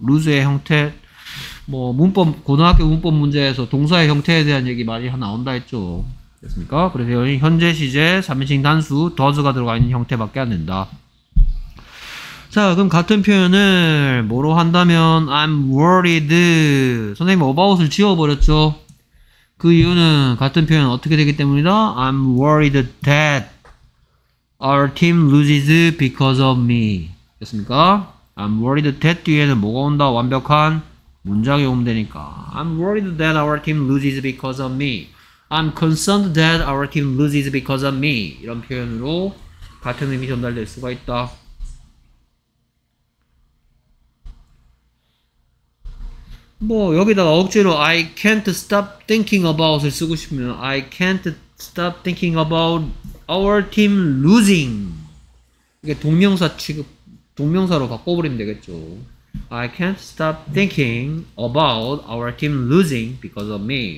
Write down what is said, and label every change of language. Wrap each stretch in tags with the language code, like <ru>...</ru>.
<ko>lose의 형태 뭐 문법 고등학교 문법 문제에서 동사의 형태에 대한 얘기 많이 나온다 했죠. 됐습니까? 그래서 여기 현재 시제 3인칭 단수 does가 들어가 있는 형태밖에 안 된다. 자, 그럼 같은 표현을 뭐로 한다면</ko> <en>I'm worried.</en> <ko>선생님 about을 지워버렸죠. 그 이유는 같은 표현 어떻게 되기 때문이다.</ko> <en>I'm worried that our team loses because of me.</en> <ko>됐습니까?</ko> <en>I'm worried that</en> <ko>뒤에는 뭐가 온다. 완벽한 문장이 오면 되니까</ko> <en>I'm worried that our team loses because of me. I'm concerned that our team loses because of me.</en> <ko>이런 표현으로 같은 의미 전달될 수가 있다. 뭐 여기다가 억지로</ko> <en>I can't stop thinking about을</en> <ko>쓰고 싶으면</ko> <en>I can't stop thinking about our team losing.</en> <ko>이게 동명사 취급, 동명사로 바꿔버리면 되겠죠.</ko> <en>I can't stop thinking about our team losing because of me.</en>